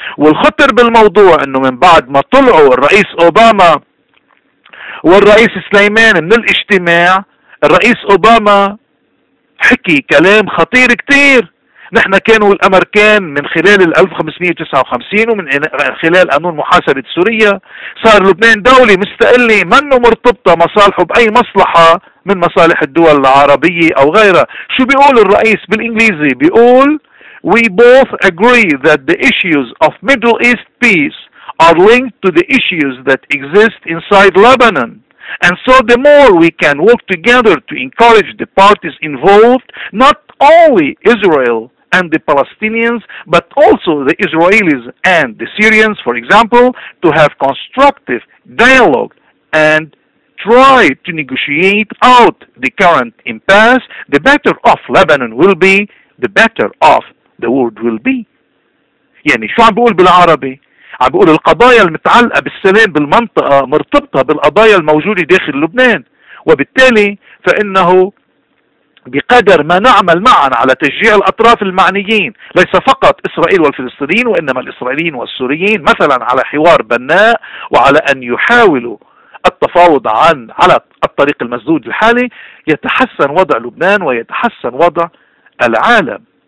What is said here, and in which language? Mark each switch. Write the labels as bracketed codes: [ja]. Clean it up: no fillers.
[ar] والخطر بالموضوع انه من بعد ما طلعوا الرئيس اوباما والرئيس سليمان من الاجتماع، الرئيس اوباما حكي كلام خطير كتير. نحن كانوا الامريكان من خلال 1559 ومن خلال قانون محاسبة سوريا صار لبنان دولة مستقلة منه مرتبطة مصالحه بأي مصلحة من مصالح الدول العربية أو غيرها. شو بيقول الرئيس بالإنجليزي؟ بيقول [en] We both agree that the issues of Middle East peace are linked to the issues that exist inside Lebanon. And so the more we can work together to encourage the parties involved, not only Israel and the Palestinians, but also the Israelis and the Syrians, for example, to have constructive dialogue and try to negotiate out the current impasse, the better off Lebanon will be, the better off the world will be. [ar] يعني شو عم بقول بالعربي؟ عم بقول القضايا المتعلقة بالسلام بالمنطقة مرتبطة بالقضايا الموجودة داخل لبنان، وبالتالي فإنه بقدر ما نعمل معا على تشجيع الأطراف المعنيين، ليس فقط إسرائيل والفلسطينيين وإنما الإسرائيليين والسوريين مثلا، على حوار بناء وعلى أن يحاولوا التفاوض عن على الطريق المسدود الحالي، يتحسن وضع لبنان ويتحسن وضع العالم.